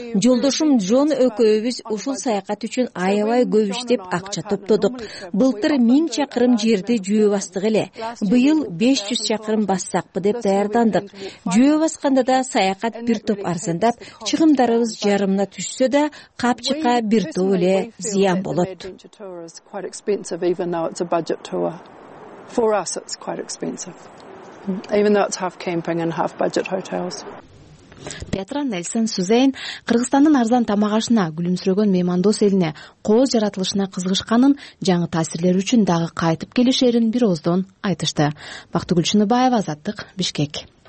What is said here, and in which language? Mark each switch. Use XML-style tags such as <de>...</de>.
<ky>Жолдошум Джон экөөбүз ушул саякат үчүн аябай көп иштеп акча топтодук. Былтыр 1000 чакырым жерди жөө бастык эле, быйыл 500 чакырым бассакпы деп даярдандык. Жөө басканда да саякат бир топ арзандап, чыгымдарыбыз жарымына түшсө да капчыкка бир топ эле зыян болот.</ky> <en>Quite expensive even though it's a budget tour. For us it's quite expensive. Even though it's half camping and half budget hotels.</en> <ky>Петра Нельсон Сузейн Кыргызстандын арзан тамак ашына, күлүмсүрөгөн меймандос элине, кооз жаратылышына кызыгышканын жаңы таасирлери үчүн дагы кайтып келишерин бир ооздон айтышты. Бактыгүл Чыныбаева, Азаттык, Бишкек.</ky>